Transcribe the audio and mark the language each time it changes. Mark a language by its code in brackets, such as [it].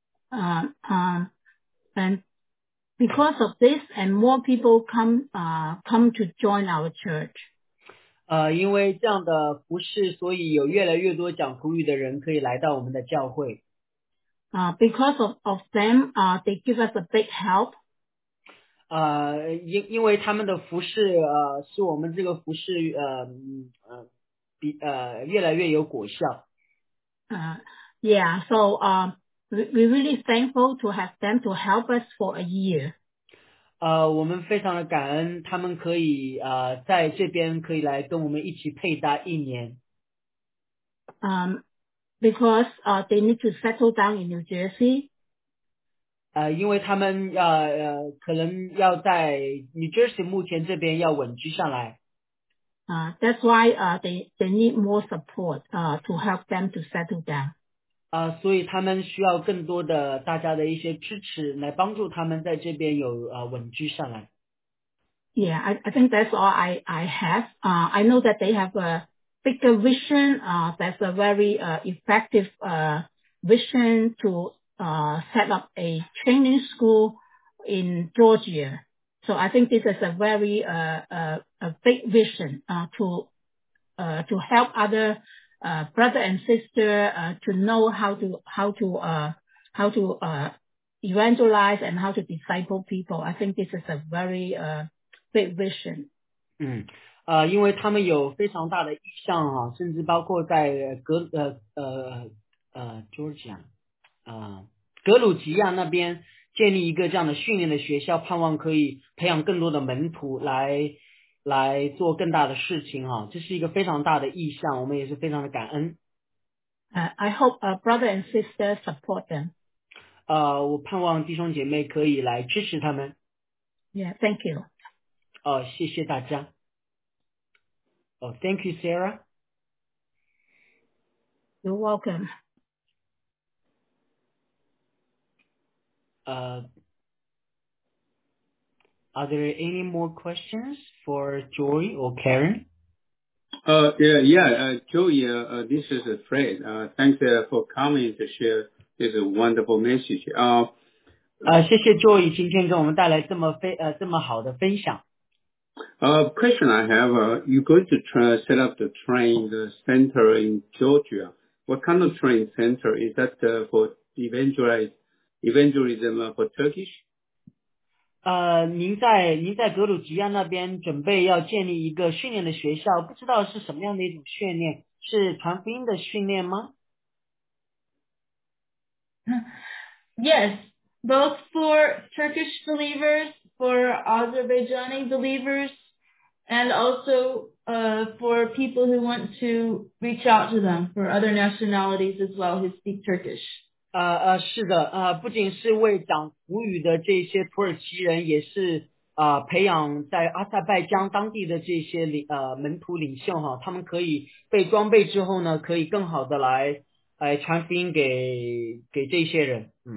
[en] And because of this, and more people come to join our church. [zh] 因为这样的服事，所以有越来越多讲土语的人可以来到我们的教会。 [en] Because of them, they give us a big help. [zh] 因为他们的服事，是我们这个服事，越来越有果效。 [en] We really thankful to have them to help us for a year. [zh] 我们非常的感恩他们可以在这边可以来跟我们一起配搭一年。 [en] Because they need to settle down in New Jersey. [zh] 因为他们可能要在 New Jersey 目前这边要稳居下来。 [en] That's why they need more support to help them to settle down. [zh] 所以他们需要更多的大家的一些支持来帮助他们在这边有稳居上来。 [en] Yeah, I think that's all I have. I know that they have a bigger vision, that's a very effective vision to set up a training school in Georgia. So I think this is a very a big vision to help other brother and sister to know how to evangelize and how to disciple people. I think this is a very big vision. [zh] 因为他们有非常大的意向啊，甚至包括在格鲁吉亚那边建立一个这样的训练的学校，盼望可以培养更多的门徒来做更大的事情啊，这是一个非常大的意向，我们也是非常的感恩。 [en] I hope a brother and sister support them. [zh] 我盼望弟兄姐妹可以来支持他们。 [en] Yeah, thank you. [zh] 谢谢大家。 [en] Thank you, Sarah. You're welcome. Are there any more questions for Joy or Karen? Joy, this is Fred. Thanks for coming to share this wonderful message. [zh] 谢谢 Joy 今天给我们带来这么好的分享。 [en] Question I have, you're going to set up the train center in Georgia. What kind of train center? Is that for evangelism for Turkish? [zh] 您在格鲁吉亚那边准备要建立一个训练的学校，不知道是什么样的一种训练，是传福音的训练吗？ [en] Yes, both for Turkish believers, for Azerbaijani believers, and also for people who want to reach out to them, for other nationalities as well who speak Turkish. [zh] 是的，不仅是为讲土语的这些土耳其人，也是培养在阿塞拜疆当地的这些门徒领袖哈，他们可以被装备之后呢，可以更好的来传福音给这些人。